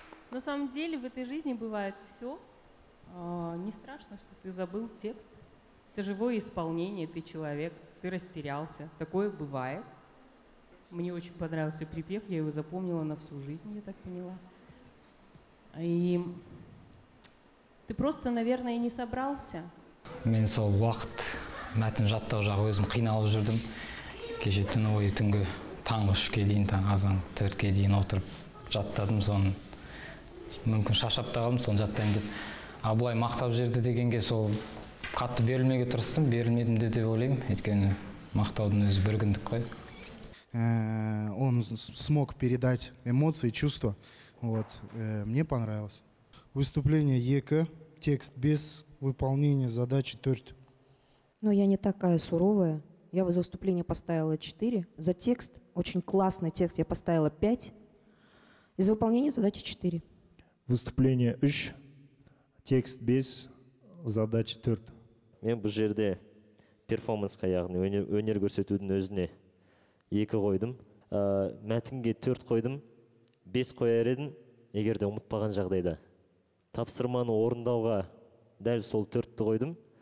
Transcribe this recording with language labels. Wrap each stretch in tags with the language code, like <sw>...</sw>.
<ru>На самом деле в этой жизни бывает все. Не страшно, что ты забыл текст. Это живое исполнение, ты человек, ты растерялся. Такое бывает. Мне очень понравился припев, я его запомнила на всю жизнь, я так поняла. И ты просто, наверное, не собрался.</ru> <kk>Мен сол уақыт мәтін жаттау жағы өзім қиналып жүрдім. Кеше түн ойы түнгі таңғы 3-ке дейін, таң азан 4-ке дейін отырып жаттадым. Соны мүмкін шаршап та қалдым, соны жаттайын деп. А былай мақтап жерді дегенге сол қатты берілмеге тырыстым. Берілмедім де деп ойлаймын. Өйткені мақтаудың өзі бір күндік қой.</kk> <ru>Он смог передать эмоции, чувства. Вот, мне понравилось. Выступление ЕКЭ, текст без выполнения задачи 4. Но я не такая суровая. Я за выступление поставила 4. За текст, очень классный текст, я поставила 5. И за выполнение задачи 4. Выступление 3, текст без задачи 4.</ru> <kk>Мен бұл жерде перформанска, яғни өнер көрсетудің өзіне 2 қойдым. Мәтінге 4 қойдым. 5 қояр едім, егер де ұмытпаған жағдайда. Тапсырманы орындауға дәл сол 4-ті қойдым.</kk>